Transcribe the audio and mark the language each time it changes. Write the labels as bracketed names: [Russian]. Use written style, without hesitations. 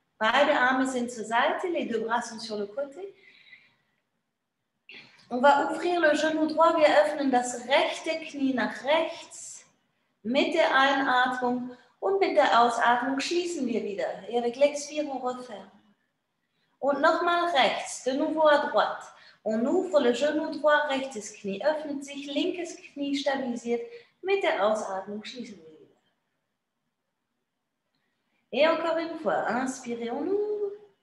[German] Beide Arme sind zur Seite, [French] les deux bras sont sur le côté. On va ouvrir le genou droit, [German] wir öffnen das rechte Knie nach rechts mit der Einatmung und mit der Ausatmung schließen wir wieder. [French] Et avec l'expire, on referme. [German] Und nochmal rechts, [French] de nouveau à droite. On ouvre le genou droit, [German] rechtes Knie öffnet sich, linkes Knie stabilisiert. Mit der Ausatmung schließen wir wieder. [French] Et encore une fois, inspirez, on ouvre.